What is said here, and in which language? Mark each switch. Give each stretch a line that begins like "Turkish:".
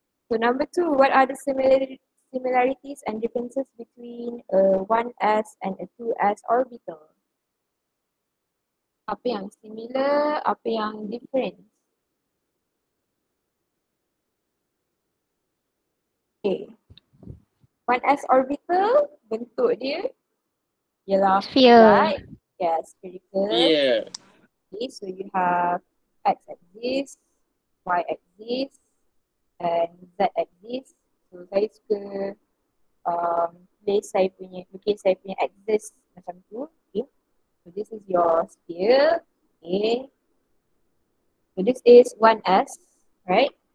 English: So, number two, what are the similarities and differences between a 1s and a 2s orbital?
Malay: Apa yang similar, apa yang different? Okay. 1s orbital, bentuk dia ialah
English: sphere. Right? Yes, yeah, spherical. Yeah. Okay, so you have X axis, Y axis, and Z axis.
Malay: So saya suka place saya punya, okay, saya punya axis macam tu. Okay.
English: So this is your sphere. Okay. So this is 1s, right?